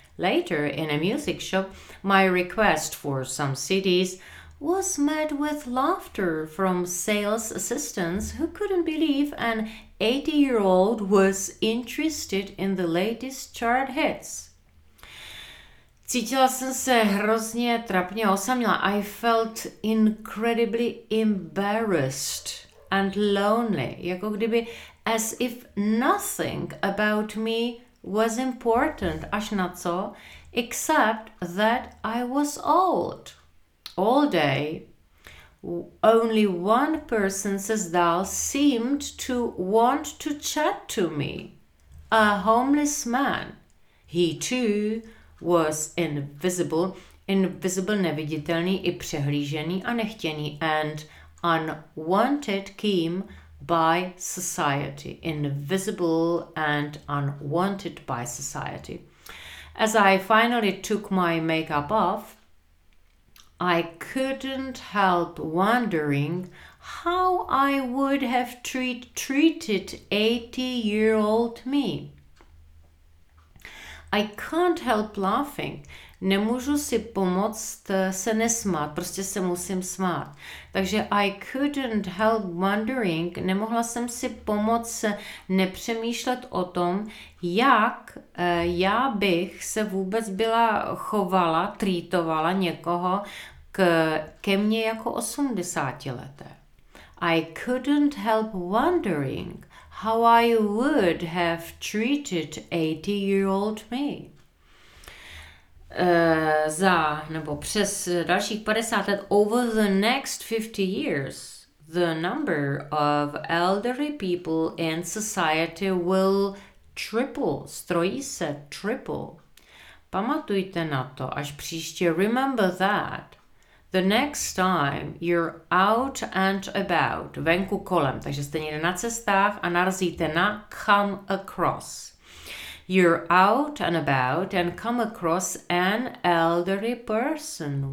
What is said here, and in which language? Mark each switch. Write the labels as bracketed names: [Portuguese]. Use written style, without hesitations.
[English] Later, in a music shop, my request for some CDs was met with laughter from sales assistants who couldn't believe an 80-year-old was interested in the latest chart hits. [Czech] Cítila jsem se hrozně trapně osamělá. [English] I felt incredibly embarrassed and lonely. [Czech] Jako kdyby, [English] as if nothing about me was important. [Czech] Až na co? [English] Except that I was old. All day, only one person [Czech] se zdál [English] seemed to want to chat to me. A homeless man. He too was invisible, [Czech] neviditelný i přehlížený a nechtěný, [English] and unwanted came by society, invisible and unwanted by society. As I finally took my makeup off, I couldn't help wondering how I would have treated 80-year-old me. I can't help laughing. [Czech] Nemůžu si pomoct se nesmát, prostě se musím smát. Takže [English] I couldn't help wondering, [Czech] nemohla jsem si pomoct nepřemýšlet o tom, jak já bych se vůbec byla chovala, treatovala někoho ke mně jako 80 leté. I couldn't help wondering [English] how I would have treated 80-year-old me. [Czech] Za, nebo přes dalších 50 let, [English] over the next 50 years, the number of elderly people in society will triple, [Czech] strojí se [English] triple. [Czech] Pamatujte na to, až příště, [English] remember that, the next time you're out and about, [Czech] venku kolem, takže jste někde na cestách a narazíte na [English] come across. You're out and about and come across an elderly person.